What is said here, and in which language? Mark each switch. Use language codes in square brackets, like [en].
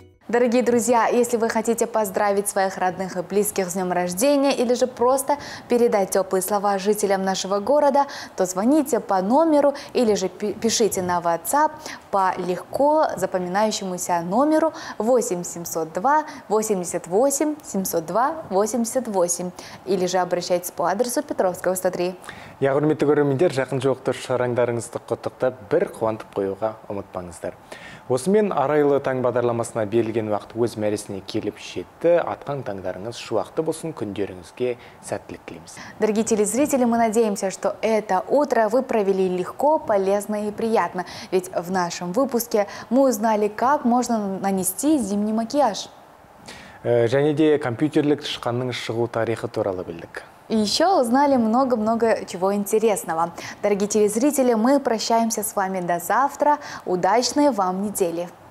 [ru] Дорогие друзья, если вы хотите поздравить своих родных и близких с днем рождения или же просто передать теплые слова жителям нашего города, то звоните по номеру или же пишите на WhatsApp по легко запоминающемуся номеру 8-702-88-702-88 или же обращайтесь по адресу Петровского, 103. [kk] Я құрметті көрермендер, жақын жоқты шараңдарыңызды құттықтап, бір қуантып қойуға ұмытпаңыздар. Осымен арайлы таң бағдарламасына берілген уақыт өз мәресіне келіп жетті. Атқан таңдарыңыз шуақты болсын, күндеріңізге сәттілік тілейміз. [ru] Дорогие телезрители, мы надеемся, что это утро вы провели легко, полезно и приятно. Ведь в нашем выпуске мы узнали, как можно нанести зимний макияж. [kk] Және де компьютерлік тышқанның шығу тарихы туралы білдік. [ru] И еще узнали много-много чего интересного. Дорогие телезрители, мы прощаемся с вами до завтра. Удачной вам недели!